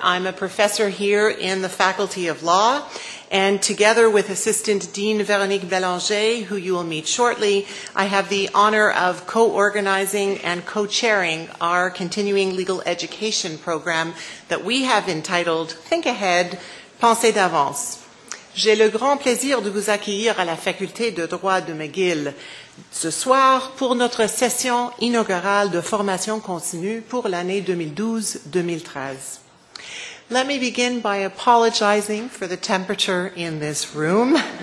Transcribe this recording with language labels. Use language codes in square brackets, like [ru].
[en] I'm a professor here in the Faculty of Law. And together with Assistant Dean Véronique Bélanger, who you will meet shortly, I have the honor of co-organizing and co-chairing our continuing legal education program that we have entitled Think Ahead, Pensez d'Avance. [fr] J'ai le grand plaisir de vous accueillir à la Faculté de droit de McGill ce soir pour notre session inaugurale de formation continue pour l'année 2012-2013. [en] Let me begin by apologizing for the temperature in this room.